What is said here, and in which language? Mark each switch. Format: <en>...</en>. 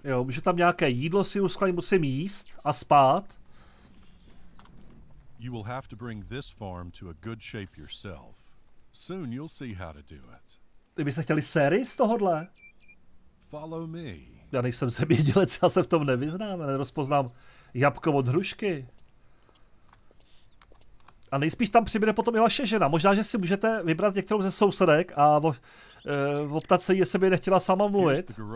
<cs>Jo, může tam nějaké jídlo si uskladit, musím jíst a spát.</cs> <en>You will have to bring this farm to a good shape yourself. Soon you'll see how to do it.</en> <cs>Ty byste chtěli sérii z tohohle?</cs> <en>Follow me.</en> <cs>Já nejsem zemědělec, já se v tom nevyznám, nerozpoznám jabko od hrušky. A nejspíš tam přibude potom i vaše žena. Možná, že si můžete vybrat některou ze sousedek a optat se, jestli by nechtěla sama mluvit.</cs>